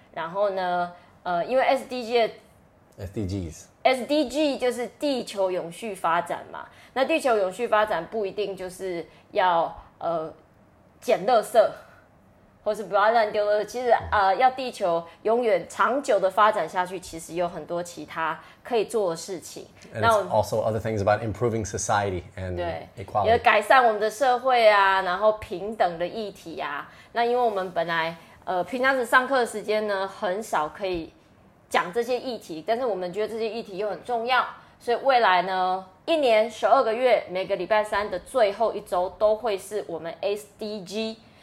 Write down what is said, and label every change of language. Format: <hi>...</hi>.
<zh>然后呢，因为 SDG 就是地球永续发展嘛。那地球永续发展不一定就是要捡垃圾，或是不要乱丢了，其实要地球永远长久的发展下去，其实有很多其他可以做的事情。</zh> <en>And it's also other things about improving society and equality.</en> <zh>对，也改善我们的社会啊，然后平等的议题啊。那因为我们本来平常子上课的时间呢，很少可以讲这些议题，但是我们觉得这些议题又很重要，所以未来呢，一年十二个月，每个礼拜三的最后一周都会是我们 SDG。</zh>